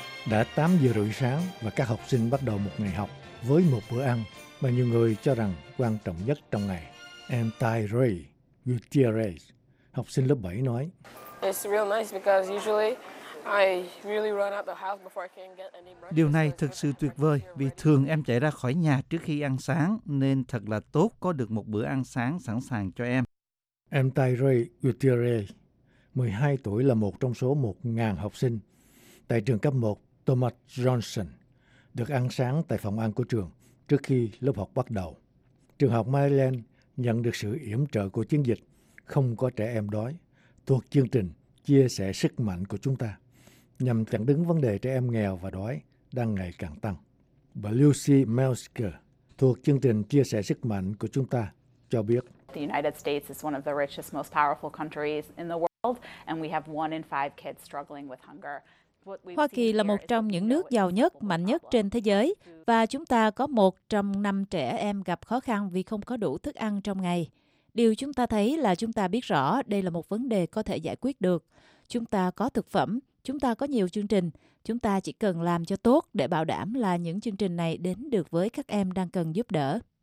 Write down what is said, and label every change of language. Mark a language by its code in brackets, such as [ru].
[vi] Đã 8 giờ rưỡi sáng và các học sinh bắt đầu một ngày học với một bữa ăn mà nhiều người cho rằng quan trọng nhất trong ngày. Em Tai Ray Gutierrez, học sinh lớp 7 nói: [en] "It's real nice because usually I really run out the house before I can get any breakfast." [vi] Điều này thực sự tuyệt vời vì thường em chạy ra khỏi nhà trước khi ăn sáng, nên thật là tốt có được một bữa ăn sáng sẵn sàng cho em. Em Tai Ray Gutierrez, 12 tuổi, là một trong số 1.000 học sinh tại trường cấp 1 Thomas Johnson được ăn sáng tại phòng ăn của trường trước khi lớp học bắt đầu. Trường học Maryland nhận được sự yểm trợ của chiến dịch Không có trẻ em đói thuộc chương trình Chia sẻ sức mạnh của chúng ta, nhằm chặn đứng vấn đề trẻ em nghèo và đói đang ngày càng tăng. Bà Lucy Melsker thuộc chương trình Chia sẻ sức mạnh của chúng ta cho biết: [en] "The United States is one of the richest, most powerful countries in the world, and we have one in five kids struggling with hunger." [vi] Hoa Kỳ là một trong những nước giàu nhất, mạnh nhất trên thế giới, và chúng ta có một trong năm trẻ em gặp khó khăn vì không có đủ thức ăn trong ngày. Điều chúng ta thấy là chúng ta biết rõ đây là một vấn đề có thể giải quyết được. Chúng ta có thực phẩm, chúng ta có nhiều chương trình, chúng ta chỉ cần làm cho tốt để bảo đảm là những chương trình này đến được với các em đang cần giúp đỡ.